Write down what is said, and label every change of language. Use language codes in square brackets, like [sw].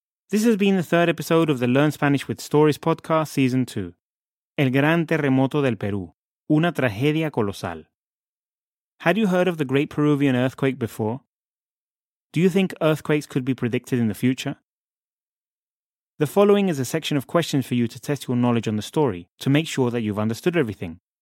[en] This has been the third episode of the Learn Spanish with Stories podcast, Season 2. [es] El gran terremoto del Perú, una tragedia colosal. [en] Had you heard of the Great Peruvian Earthquake before? Do you think earthquakes could be predicted in the future? The following is a section of questions for you to test your knowledge on the story, to make sure that you've understood everything.